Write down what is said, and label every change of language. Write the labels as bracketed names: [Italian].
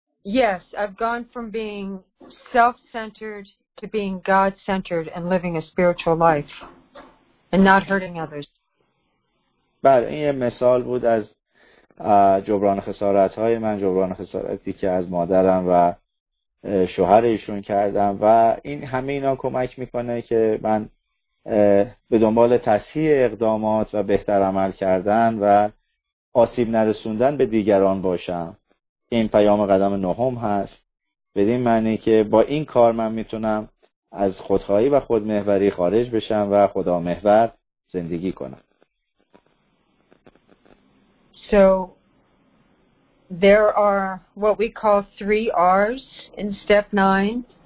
[English] Yes, I've gone from being self-centered to being God-centered and living a spiritual life and not hurting others. [Persian] بله، این یه مثال بود از جبران خسارت‌های من، جبران خسارتی که از مادرم و شوهر ایشون کردم، و این همه اینا کمک می‌کنه که من به دنبال تصحیح اقدامات و بهتر عمل کردن و آسیب نرسوندن به دیگران باشم. این پیام قدم نهم هست، بدین معنی که با این کار من میتونم از خودخواهی و خودمحوری خارج بشم و خدا محور زندگی کنم. [English] So there are what we call 3 R's in step 9.